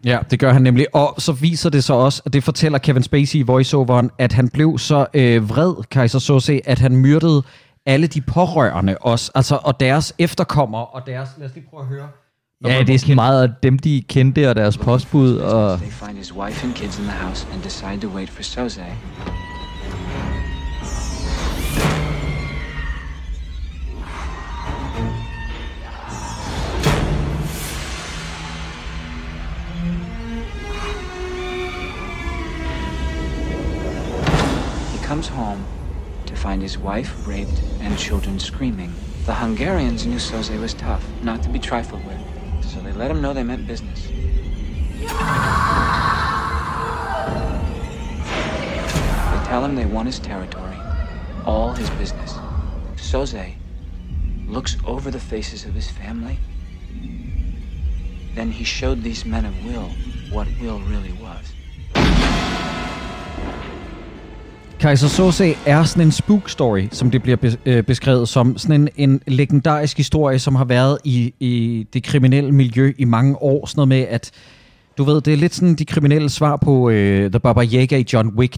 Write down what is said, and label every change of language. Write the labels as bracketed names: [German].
[Danish] Ja, det gør han nemlig. Og så viser det sig også, at det fortæller Kevin Spacey i voiceoveren, at han blev så vred, Kaiser Soze, at han myrdede alle de pårørende også, altså, og deres efterkommere og deres... Lad os lige prøve at høre. Ja, det er sådan meget af dem, de kendte, og deres postbud. Og [English] they find his wife and kids in the house and decide to wait for Soze. Yes. comes home to find his wife raped and children screaming. The Hungarians knew Soze was tough, not to be trifled with, so they let him know they meant business. They tell him they want his territory, all his business. Soze looks over the faces of his family. Then he showed these men of will what will really was. [Danish] Kaiser Soze er sådan en spook story, som det bliver beskrevet som. Sådan en legendarisk historie, som har været i det kriminelle miljø i mange år. Sådan noget med, at du ved, det er lidt sådan de kriminelle svar på The Baba Yaga i John Wick.